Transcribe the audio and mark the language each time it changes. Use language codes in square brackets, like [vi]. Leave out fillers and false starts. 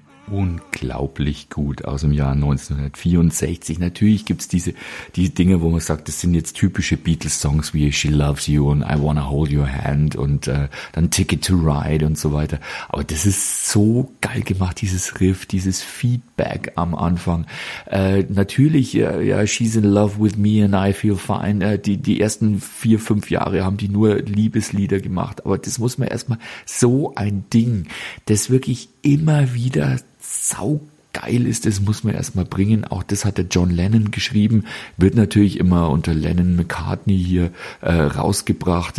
[de] unglaublich gut aus dem Jahr 1964. Natürlich gibt's diese Dinge, wo man sagt, das sind jetzt typische Beatles-Songs wie She Loves You und I Wanna Hold Your Hand und dann Ticket to Ride und so weiter. Aber das ist so geil gemacht, dieses Riff, dieses Feedback am Anfang. [en] She's in Love with Me and I Feel Fine. [de] Die ersten 4-5 Jahre haben die nur Liebeslieder gemacht. Aber das muss man erstmal, so ein Ding, das wirklich immer wieder saugeil ist, das muss man erstmal bringen. Auch das hat der John Lennon geschrieben, wird natürlich immer unter Lennon McCartney hier rausgebracht.